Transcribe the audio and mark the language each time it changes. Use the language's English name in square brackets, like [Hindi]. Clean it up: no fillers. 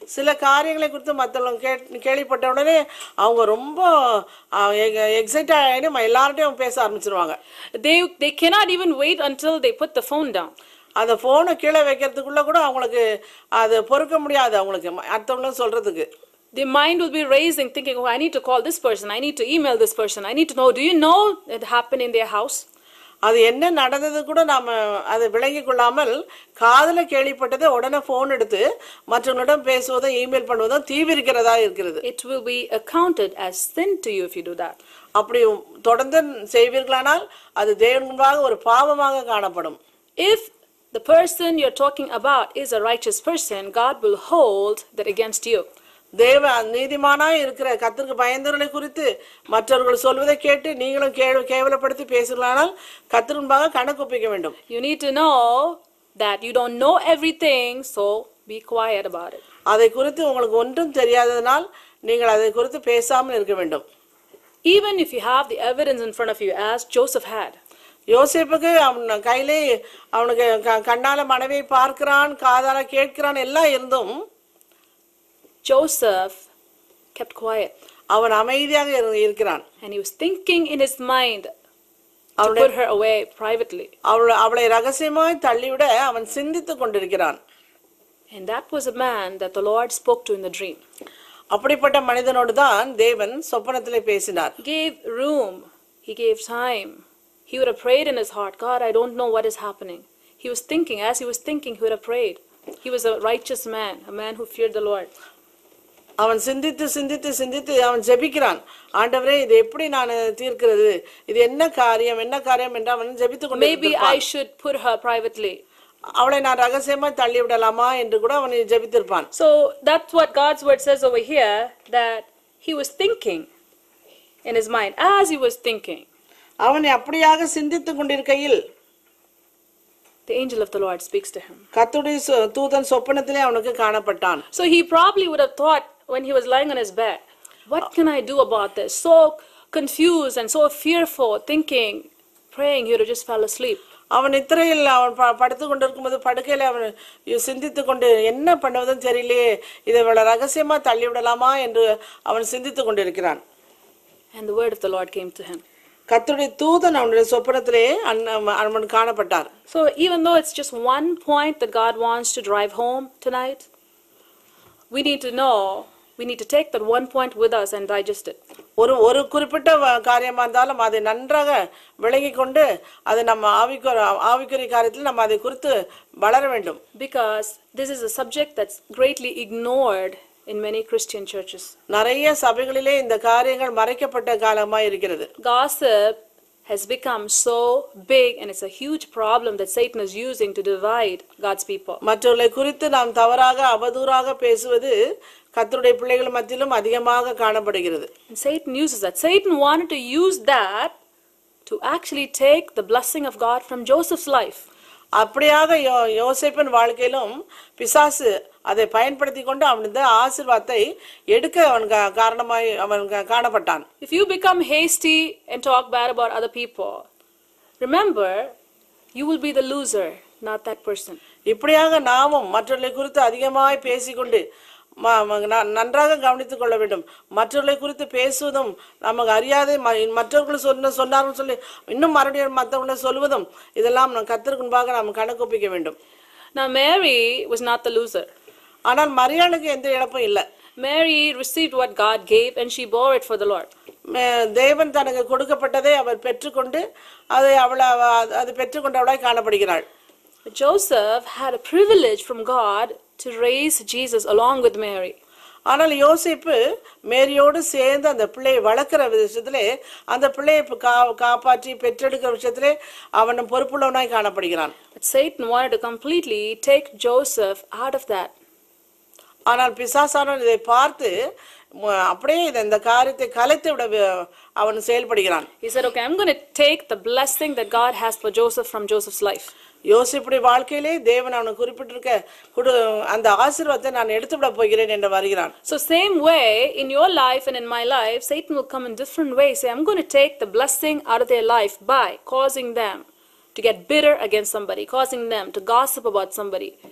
[Tamil] சில காரியங்களை குறித்து மற்றவங்க கேள்விப்பட்ட உடனே அவங்க ரொம்ப எக்ஸைட் ஆகிடும், எல்லார்ட்டையும் பேச ஆரம்பிச்சிருவாங்க. [English] They cannot even wait until they put the phone down. [Tamil] அந்த ஃபோனை கீழே வைக்கிறதுக்குள்ள கூட அவங்களுக்கு அது பொறுக்க முடியாது, அவங்களுக்கு அடுத்தவங்களும் சொல்றதுக்கு. [English] The mind will be racing, thinking, oh, I need to call this person, I need to email this person, I need to know, do you know it happened in their house? [Tamil] அது என்ன நடந்தது கூட நாம் அது விளங்கிக் கொள்ளாமல் காதில் கேள்விப்பட்டதை உடனே ஃபோன் எடுத்து மற்றவங்களிடம் பேசுவதும் இமெயில் பண்ணுவதும் தீவிரிக்கிறதாக இருக்கிறது. [English] It will be accounted as sin to you if you do that. [Tamil] அப்படி தொடர்ந்து செய்வீர்களானால் அது தேவன் முன்பாக ஒரு பாவமாக காணப்படும். [English] If the person you are talking about is a righteous person, God will hold that against you. [Tamil] தேவ நீதிமானாக இருக்கிற கர்த்தருக்கு பயந்தவர்களை குறித்து மற்றவர்கள் சொல்வதை கேட்டு நீங்களும் கேவலப்படுத்தி பேசுகிறானால் கர்த்தருக்காக கணக்கு ஒப்பிக்க வேண்டும். [English] You need to know that you don't know everything, so be quiet about it. [Tamil] அதை குறித்து உங்களுக்கு ஒன்றும் தெரியாததனால் நீங்கள் அதை குறித்து பேசாமல் இருக்க வேண்டும். [English] Even if you have the evidence in front of you, as Joseph had. [Tamil] யோசேப்புக்கு அவன் கையிலே அவனுக்கு கண்ணால மனைவியை பார்க்கிறான், காதால கேட்கிறான் எல்லாம் இருந்தும் [English] Joseph kept quiet. [Tamil] அவன் அமைதியாக இருக்கிறான். [English] And he was thinking in his mind to put her away privately. [Tamil] அவளை ரகசியமாய் தள்ளிவிட அவன் சிந்தித்துக் கொண்டிருக்கிறான். [English] And that was a man that the Lord spoke to in the dream. [Tamil] அப்படிப்பட்ட மனிதனோடு தான் தேவன் சொப்பனத்திலே பேசினார். [English] He gave room. He gave time. He would have prayed in his heart, God, I don't know what is happening. He was thinking. As he was thinking, he would have prayed. He was a righteous man, a man who feared the Lord. [Tamil] அவன் சிந்தித்து சிந்தித்து சிந்தித்து அவன் ஜெபிக்கிறான், ஆண்டவரே இது எப்படி நான் தீர்க்கிறது, இது என்ன காரியம் என்ன காரியம் என்று அவன் ஜெபித்துக் கொண்டிருப்பான். [English] Maybe I should put her privately. [Tamil] அவளை நான் ரகசியமா தள்ளி விடலாமா என்று கூட அவன் ஜெபித்திருப்பான். [English] So that's what God's word says over here, that he was thinking in his mind. As he was thinking, [Tamil] அவன் அப்படியாக சிந்தித்துக் கொண்டிருக்கையில் [English] the angel of the Lord speaks to him. [Tamil] கர்த்தருடைய தூதன் சொப்பனத்திலே அவனுக்கு காணப்பட்டான். [English] So he probably would have thought when he was lying on his bed, what can I do about this? So confused and so fearful, thinking, praying, he would have just fell asleep. [Tamil] அவன் நித்திரையில் அவன் படுத்துக் கொண்டிருக்கும்போது படுக்கையில் அவன் சிந்தித்துக் கொண்டு என்ன பண்ணுவதும் தெரியலையே, இதை இவ்வளவு ரகசியமா தள்ளிவிடலாமா என்று அவன் சிந்தித்துக் கொண்டிருக்கிறான். [English] And the word of the Lord came to him. [Tamil] கர்த்தருடைய தூதன் அவனுடைய சொப்பனத்திலே அவன் காணப்பட்டார். [English] So even though it's just one point that God wants to drive home tonight, we need to know, we need to take that one point with us and digest it. [Tamil] ஒரு குறிப்பிட்ட காரியமா இருந்தாலும் அதை நன்றாக விளங்கி கொண்டு அதை நம்ம ஆவிக்குரிய காரியத்தில் நம்ம அதை குறித்து வளர வேண்டும். [English] Because this is a subject that's greatly ignored in many Christian churches. [Tamil] நிறைய சபைகளிலே இந்த காரியங்கள் மறைக்கப்பட்ட காலமாக இருக்கிறது. [English] Gossip has become so big and it's a huge problem that Satan is using to divide God's people. [Tamil] மற்றவர்களை குறித்து நாம் தவறாக அவதூறாக பேசுவது கர்த்தருடைய பிள்ளைகள் மத்தியிலும் அதிகமாக காணப்படுகிறது. [English] Satan uses that. Satan wanted to use that to actually take the blessing of God from Joseph's life. [Tamil] அப்படியாக யோசேப்பின் வாழ்க்கையிலும் பிசாசு அதை பயன்படுத்தி கொண்டு அவனது ஆசீர்வாதத்தை எடுக்க அவன் காரணமாய் அவன் காணப்பட்டான். [English] If you become hasty and talk bad about other people, remember, you will be the loser, not that person. [Tamil] இப்படியாக நாமும் மற்றவர்களை குறித்து அதிகமாய் பேசிக்கொண்டு நன்றாக கவனித்துக் கொள்ள வேண்டும். மற்றவர்களை குறித்து பேசுவதும் நமக்கு அறியாத மற்றவர்கள் சொன்னார்கள் சொல்லி இன்னும் மறுபடியும் மற்றவர்களை சொல்வதும் இதெல்லாம் நம் கர்த்தருக்கு முன்பாக நாம் கணக்கொப்பிக்க வேண்டும். [English] Now Mary was not the loser. [Tamil] ஆனால் மரியாளுக்கு எந்த இழப்பும் இல்லை. [English] Mary received what God gave and she bore it for the Lord. [Tamil] தேவன் தனக்கு கொடுக்கப்பட்டதை அவள் பெற்றுக்கொண்டு அதை அவளை அது பெற்றுக்கொண்டவளாய் காணப்படுகிறாள். [English] Joseph had a privilege from God to raise Jesus along with Mary. [Tamil] ஆனால் யோசிப்பு மேரியோடு சேர்ந்து அந்த பிள்ளையை வளர்க்குற விஷயத்திலே அந்த பிள்ளையை காப்பாற்றி பெற்றெடுக்கிற விஷயத்திலே அவனும் பொறுப்புள்ளவனாய் காணப்படுகிறான். [English] Satan wanted to completely take Joseph out of that. [Tamil] ஆனால் பிசாசானவன் இதை பார்த்து அப்படியே இந்த காரியத்தை கலைத்து விட அவன் செயல்படுகிறான். [English] He said, okay, I'm going to take the blessing that God has for Joseph from Joseph's life. [Tamil] யோசிப்புடைய வாழ்க்கையிலே தேவன் அவனை குறிப்பிட்டிருக்க அந்த ஆசீர்வாதத்தை நான் எடுத்துவிட போகிறேன் என்று வருகிறான். [English] So same way in your life and in my life, Satan will come in different ways. Say, I'm going to take the blessing out of their life by causing them to get bitter against somebody, causing them to gossip about somebody.